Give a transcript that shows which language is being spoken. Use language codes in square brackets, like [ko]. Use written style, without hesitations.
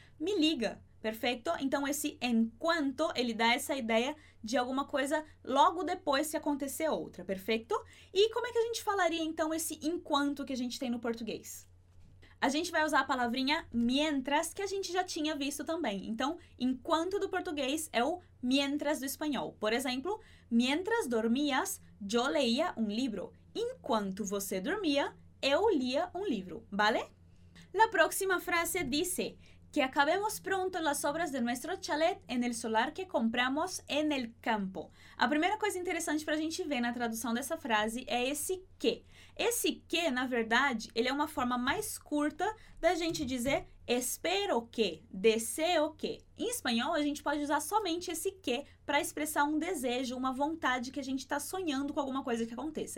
[pt] me liga, perfeito? Então, esse enquanto, ele dá essa ideia de alguma coisa logo depois se acontecer outra, perfeito? E como é que a gente falaria, então, esse enquanto que a gente tem no português? A gente vai usar a palavrinha mientras, que a gente já tinha visto também. Então, enquanto do português é o mientras do espanhol. Por exemplo, [es] mientras dormías, yo leía un libro. [pt] Enquanto você dormia, eu lia um livro, vale? [es] La próxima frase dice que acabemos pronto las obras de nuestro chalet en el solar que compramos en el campo. [pt] A primeira coisa interessante para a gente ver na tradução dessa frase é esse que. Esse que, na verdade, ele é uma forma mais curta da gente dizer espero que, deseo que. Em espanhol, a gente pode usar somente esse que para expressar um desejo, uma vontade que a gente está sonhando com alguma coisa que aconteça.